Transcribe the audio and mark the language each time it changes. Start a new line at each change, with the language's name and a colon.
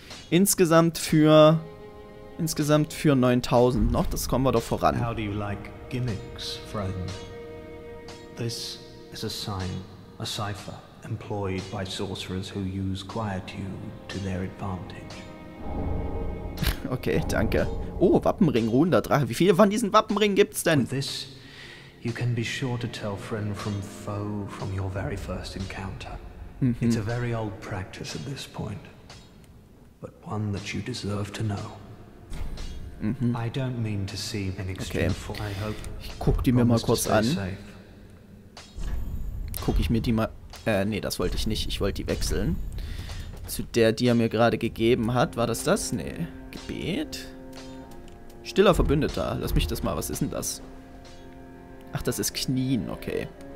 German: Insgesamt für 9000 noch, das kommen wir doch voran.
English: How do you like gimmicks, friend? This is a sign, a cipher, employed by sorcerers who use quietude to their advantage.
German: Okay, danke. Oh, Wappenring, ruhender Drache. Wie viele von diesen Wappenringen gibt's denn?
English: With this, you can be sure to tell friend from foe from your very first encounter. Mm-hmm. It's a very old practice at this point, but one that you deserve to know. Mm-hmm. I don't mean to seem inextricable. Okay. I hope.
German: Ich guck die mir mal kurz an. Safe. Guck ich mir die mal. Nee, das wollte ich nicht. Ich wollte die wechseln. Zu der, die er mir gerade gegeben hat. War das das? Nee. Gebet. Stiller Verbündeter. Lass mich das mal. Was ist denn das? Ach, das ist Knien. Okay.